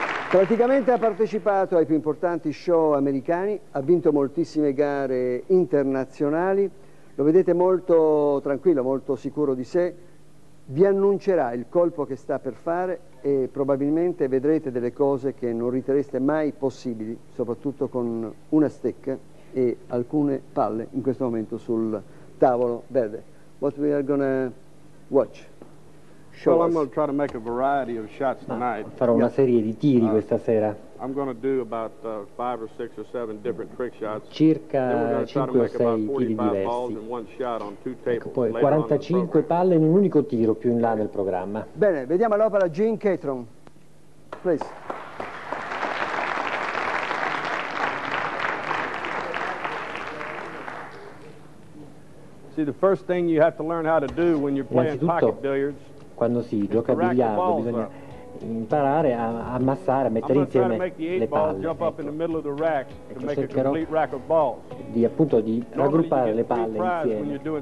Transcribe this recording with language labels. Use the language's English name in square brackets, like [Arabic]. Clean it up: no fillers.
[Italian] Praticamente ha partecipato ai più importanti show americani, ha vinto moltissime gare internazionali, lo vedete molto tranquillo, molto sicuro di sé, vi annuncerà il colpo che sta per fare e probabilmente vedrete delle cose che non ritereste mai possibili, soprattutto con una stecca e alcune palle in questo momento sul tavolo verde. [English] What we are gonna watch? Well, I'm going to try to make a variety of shots tonight. [Italian] Farò una serie di tiri questa sera. [English] I'm going to do about five or six or seven different trick shots. [Italian] Circa 5 o 6 tiri diversi. Ecco, poi 45 palle in un unico tiro più in là nel programma. Bene, vediamo l'opera Gene Catron. [English] Please. See, the first thing you have to learn how to do when you're playing pocket billiards. [Italian] Quando si gioca a biliardo bisogna imparare a ammassare, a mettere insieme le palle. Ecco, cercherò di, appunto, di raggruppare le palle insieme.